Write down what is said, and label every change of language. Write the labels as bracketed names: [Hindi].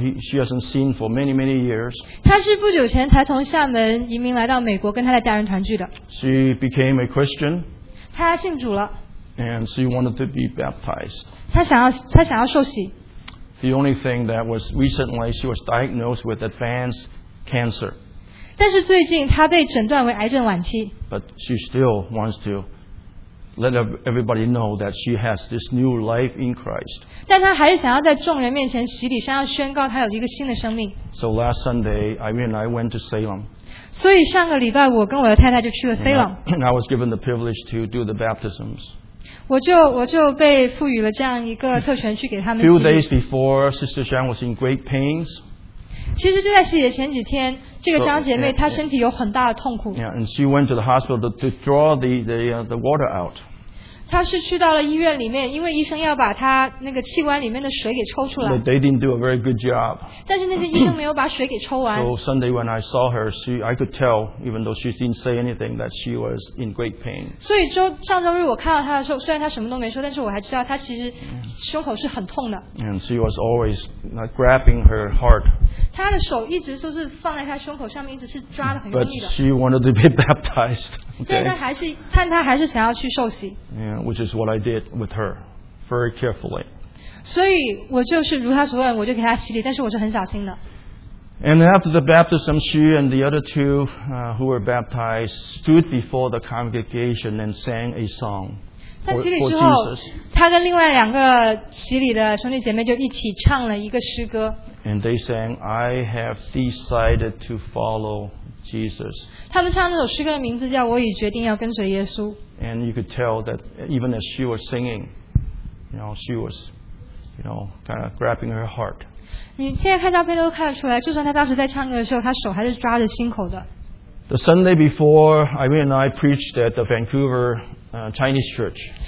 [English] She hasn't seen. For many, many years. [Chinese] 她是不久前才从厦门移民来到美国，跟她的家人团聚的。 [English] She became a Christian. [Chinese] 她信主了。 [English] And she wanted to be baptized. [Chinese] 她想要受洗。 [English] The only thing that was recently, she was diagnosed with advanced cancer. [Chinese] 但是最近她被诊断为癌症晚期。 [English] But she still wants to let everybody know that she has this new life in Christ. [Chinese] 但她还是想要在众人面前洗礼，想要宣告她有一个新的生命。 [English] So last Sunday, Irene and I went to Salem. [Chinese] 所以上个礼拜我跟我的太太就去了 Salem. [English] And I was given the privilege to do the baptisms. [Chinese] 我就被赋予了这样一个特权去给他们洗礼。 [English] Few days before, Sister Zhang was in great pains. [Chinese] 其实就在洗礼前几天，这个张姐妹她身体有很大的痛苦。 [English] Yeah, and she went to the hospital to draw the water out. [Chinese] 她是去到了医院里面，因为医生要把她那个器官里面的水给抽出来。 [English] But they didn't do a very good job. [Chinese] 但是那些医生没有把水给抽完。 [English] So Sunday when I saw her, I could tell, even though she didn't say anything, that she was in great pain. [Chinese] 所以上周日我看到她的时候，虽然她什么都没说，但是我还知道她其实胸口是很痛的。 [English] And she was always grabbing her heart. [Chinese] 他的手一直都是放在他胸口上面，一直是抓得很用力的。 [English] But she wanted to be baptized. Okay. [Chinese] 但他还是想要去受洗。 [English] Yeah, which is what I did with her, very carefully. [Chinese] 所以我就是如他所愿，我就给他洗礼，但是我是很小心的。 [English] And after the baptism, she and the other two who were baptized stood before the congregation and sang a song. [Chinese] 在洗礼之后，他跟另外两个洗礼的兄弟姐妹就一起唱了一个诗歌。 [English] And they sang, "I have decided to follow Jesus. [Chinese] 他们唱那首诗歌的名字叫我已决定要跟随耶稣。 [English] And you could tell that even as she was singing, you know, she was, you know, kind of grabbing her heart. [Chinese] 你现在看照片都看得出来，就算他当时在唱歌的时候，他手还是抓着心口的。 [English] The Sunday before, Irene and I preached at the Vancouver Chinese church.